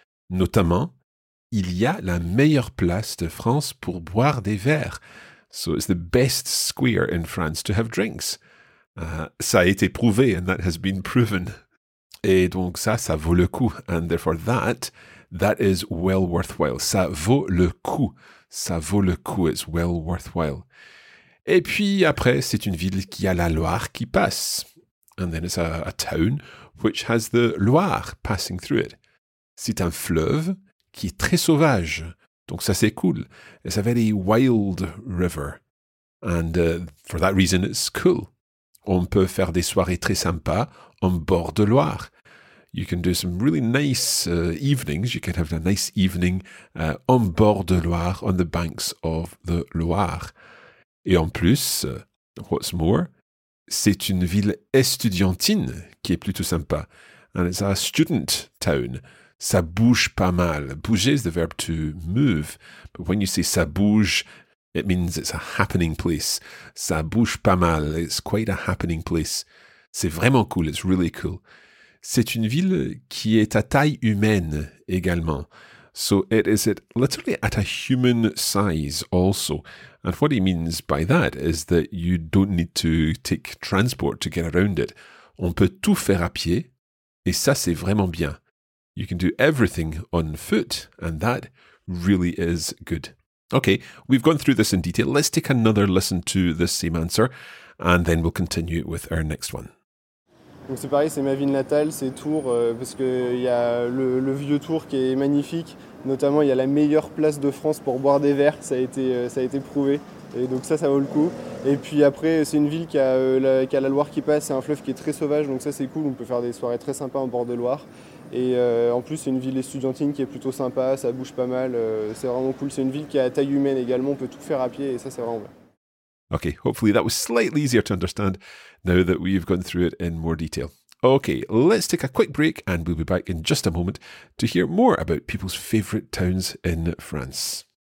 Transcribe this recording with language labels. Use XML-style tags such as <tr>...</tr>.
<fr>Notamment, il y a la meilleure place de France pour boire des verres.</fr> <en>So it's the best square in France to have drinks.</en> <fr>Ça a été prouvé,</fr> <en>and that has been proven.</en> <fr>Et donc ça vaut le coup.</fr> <en>And therefore that is well worthwhile.</en> <fr>Ça vaut le coup. ça vaut le coup,</fr> <en>it's well worthwhile.</en> <fr>Et puis après, c'est une ville qui a la Loire qui passe.</fr> <en>And then it's a town which has the Loire passing through it.</en> <fr>C'est un fleuve qui est très sauvage. Donc ça, c'est cool.</fr> <en>It's a very wild river. And for that reason, it's cool.</en> <fr>On peut faire des soirées très sympas en bord de Loire.</fr> <en>You can do some really nice evenings. You can have a nice evening</en> <fr>en bord de Loire,</fr> <en>on the banks of the Loire.</en> <fr>Et en plus,</fr> <en>what's more,</en> <fr>c'est une ville estudiantine qui est plutôt sympa.</fr> <en>And it's a student town.</en> <fr>Ça bouge pas mal.</fr> <en>Bouger is the verb to move. But when you say</en> <fr>ça bouge,</fr> <en>it means it's a happening place.</en> <fr>Ça bouge pas mal.</fr> <en>It's quite a happening place.</en> <fr>C'est vraiment cool.</fr> <en>It's really cool.</en> <fr>C'est une ville qui est à taille humaine également.</fr> <en>So it is it literally at a human size also. And what he means by that is that you don't need to take transport to get around it.</en> <fr>On peut tout faire à pied. Et ça, c'est vraiment bien.</fr> <en>You can do everything on foot, and that really is good. Okay, we've gone through this in detail. Let's take another listen to the same answer, and then we'll continue with our next one.</en> <fr>Donc c'est pareil, c'est ma ville natale, c'est Tours, parce qu'il y a le vieux Tours qui est magnifique. Notamment, il y a la meilleure place de France pour boire des verres, ça a été prouvé. Et donc ça vaut le coup. Et puis après, c'est une ville qui a la Loire qui passe, c'est un fleuve qui est très sauvage, donc ça c'est cool, on peut faire des soirées très sympas en bord de Loire. Et en plus, c'est une ville estudiantine qui est plutôt sympa, ça bouge pas mal, c'est vraiment cool. C'est une ville qui est à taille humaine également, on peut tout faire à pied et ça, c'est vraiment bien.</fr> <en>Okay, hopefully that was slightly easier to understand now that we've gone through it in more detail. Okay, let's take a quick break and we'll be back in just a moment to hear more about people's favorite towns in France.</en>